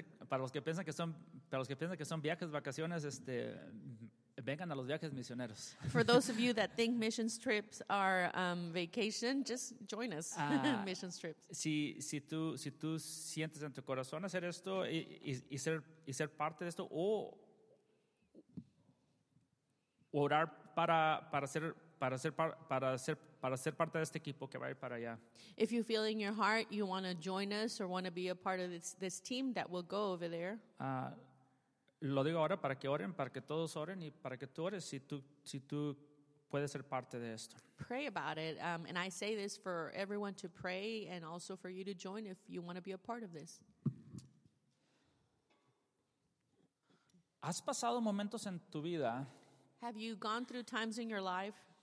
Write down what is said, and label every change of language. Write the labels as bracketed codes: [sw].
[es] Para los que piensan que son viajes vacaciones, vengan a los viajes misioneros. [en] For those of you that think missions trips are vacation, just join us. Missions trips. [es] Si tú sientes en tu corazón hacer esto y ser parte de esto o orar para ser para ser parte de este equipo que va a ir para allá. [en] If you feel in your heart you want to join us or want to be a part of this team that will go over there. [es] Lo digo ahora para que oren, para que todos oren y para que tú ores si tú puedes ser parte de esto. [en] Pray about it. And I say this for everyone to pray and also for you to join if you want to be a part of this. [es] ¿Has pasado momentos en tu vida? [en] Have you gone through times in your life?